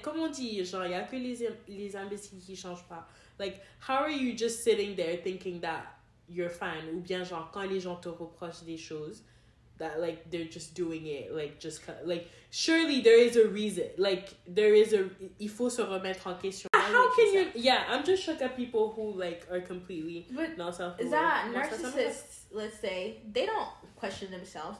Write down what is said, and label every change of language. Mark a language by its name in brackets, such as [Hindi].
[French] Comme on dit, genre, y a que les imbéciles qui changent pas. [English] Like, how are you just sitting there thinking that you're fine? [French] Ou bien genre, quand les gens te reprochent des choses... [English] That, like, they're just doing it, like, just... Like, surely there is a reason. Like, there is a... [French] Il faut se remettre en question. How can you... [English] Yeah, I'm just shocked at people who, like, are completely not self-aware. That narcissists, let's say, they don't question themselves.